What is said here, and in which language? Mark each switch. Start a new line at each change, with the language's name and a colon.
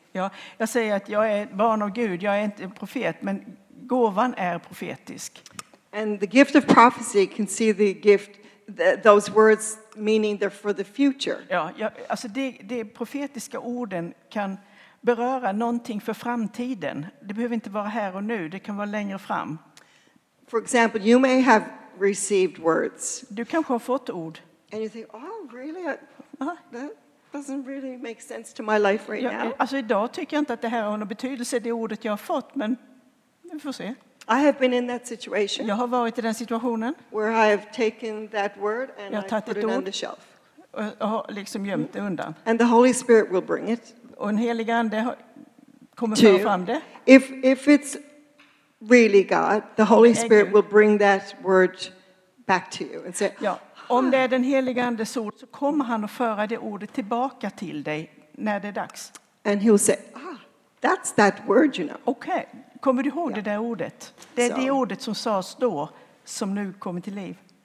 Swedish: Ja, jag säger att jag är barn av Gud. Jag är inte en profet, men gåvan är profetisk.
English: And the gift of prophecy can see the gift, those words meaning they're for the future.
Swedish: Ja, alltså de profetiska orden kan beröra någonting för framtiden. Det behöver inte vara här och nu. Det kan vara längre fram.
English: For example, you may have received words.
Swedish: Du kanske har fått ord.
English: And you think, oh, really? That doesn't really make sense to my life right
Swedish: ja,
English: now.
Swedish: Alltså idag tycker jag inte att det här har någon betydelse, det ordet jag har fått, men vi får se.
English: I have been in that situation.
Swedish: Jag har varit i den situationen.
English: Where I have taken that word and
Swedish: jag
English: I put it on the shelf.
Swedish: Och har liksom gömt det undan.
English: And the Holy Spirit will bring it.
Swedish: Och den helige ande kommer föra fram det.
English: If it's really God, the Holy Spirit will bring that word back to you and say,
Swedish: ja, om det är den heliga andes ord så kommer han att föra det ordet tillbaka till dig när det är dags.
English: And he'll say, ah, that's that word, you know.
Swedish: Okej, okay. Kommer du ihåg yeah. Det där ordet? Det är so. Det ordet som sades då som nu kommer till liv.